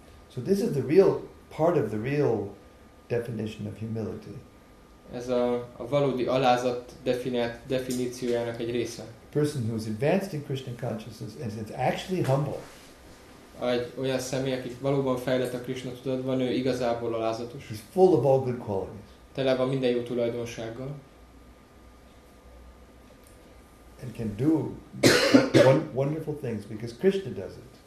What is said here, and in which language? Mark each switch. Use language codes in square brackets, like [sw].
[en] So this is the real part of the real definition of humility. [hu] Ez a valódi alázat definíciójának egy része. [en] Person who is advanced in Krishna consciousness and is actually humble. [hu] Egy olyan személy, aki valóban fejlett a Krishna tudatban, ő igazából alázatos. [en] He's full of all good qualities. [hu] Tele van minden jó tulajdonsággal. [en] And can do wonderful things because Krishna does it.